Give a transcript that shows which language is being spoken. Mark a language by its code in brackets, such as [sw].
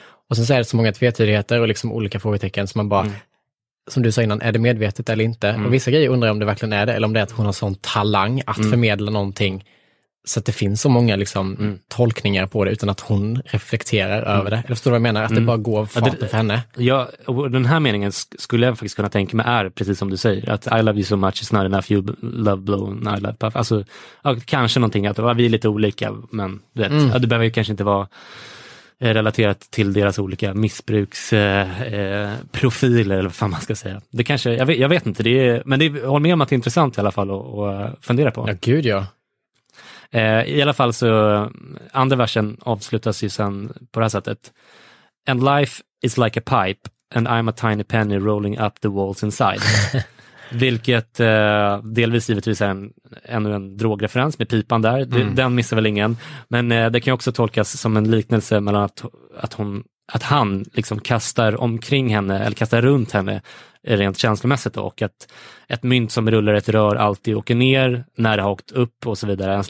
[sv] Och sen så är det så många tvetydigheter och liksom olika frågetecken som man bara, som du sa innan, är det medvetet eller inte? Och vissa grejer undrar jag om det verkligen är det, eller om det är att hon har sån talang att förmedla någonting så att det finns så många liksom tolkningar på det utan att hon reflekterar över det. Eller förstår du vad jag menar? Att det bara går farten för henne. Ja, och den här meningen skulle jag faktiskt kunna tänka mig är precis som du säger. [en] Att I love you so much is not enough, you love blown, I love puff. [sv] Alltså, ja, kanske någonting att vi är lite olika, men du vet, ja, det behöver ju kanske inte vara relaterat till deras olika missbruksprofiler eller vad fan man ska säga. Det kanske, jag vet inte, det är, men det håller med om att det är intressant i alla fall att fundera på. Ja, gud ja. I alla fall så, andra versen avslutas ju sen på det här sättet. [en] And life is like a pipe, and I'm a tiny penny rolling up the walls inside. [sv] Vilket delvis givetvis är ännu en drogreferens med pipan där. Den missar väl ingen. Men det kan ju också tolkas som en liknelse mellan att han liksom kastar omkring henne, eller kastar runt henne rent känslomässigt då, och att ett mynt som rullar ett rör alltid åker ner när det har åkt upp och så vidare.